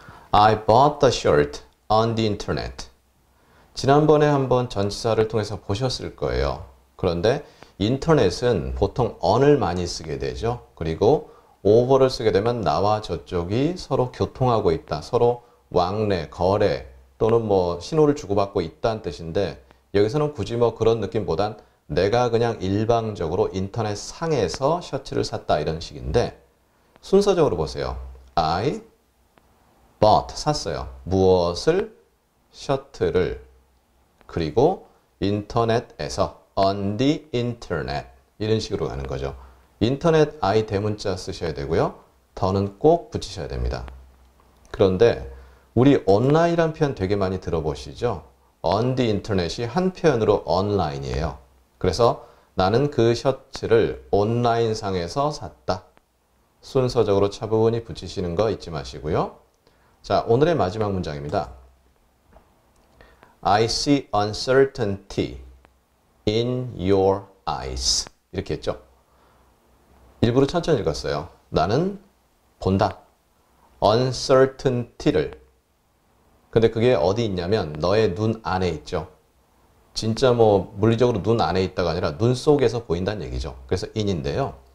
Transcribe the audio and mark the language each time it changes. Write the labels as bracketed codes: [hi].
[en] I bought the shirt on the internet. [ko] 지난번에 한번 전치사를 통해서 보셨을 거예요. 그런데 인터넷은 보통 on을 많이 쓰게 되죠. 그리고 over를 쓰게 되면 나와 저쪽이 서로 교통하고 있다. 서로 왕래, 거래 또는 뭐 신호를 주고받고 있다는 뜻인데 여기서는 굳이 뭐 그런 느낌보단 내가 그냥 일방적으로 인터넷 상에서 셔츠를 샀다 이런 식인데 순서적으로 보세요. [en] I bought [ko] 샀어요. 무엇을? 셔츠를. 그리고 인터넷에서 [en] on the internet [ko] 이런 식으로 가는 거죠. 인터넷 I 대문자 쓰셔야 되고요. 더는 꼭 붙이셔야 됩니다. 그런데 우리 온라인이란 표현 되게 많이 들어보시죠? [en] on the internet [ko] 이 한 표현으로 online이에요. 그래서 나는 그 셔츠를 온라인 상에서 샀다. 순서적으로 차분히 붙이시는 거 잊지 마시고요. 자, 오늘의 마지막 문장입니다. [en] I see uncertainty in your eyes. [ko] 이렇게 했죠. 일부러 천천히 읽었어요. 나는 본다. uncertainty를. 근데 그게 어디 있냐면 너의 눈 안에 있죠. 진짜 뭐 물리적으로 눈 안에 있다가 아니라 눈 속에서 보인다는 얘기죠. 그래서 in인데요.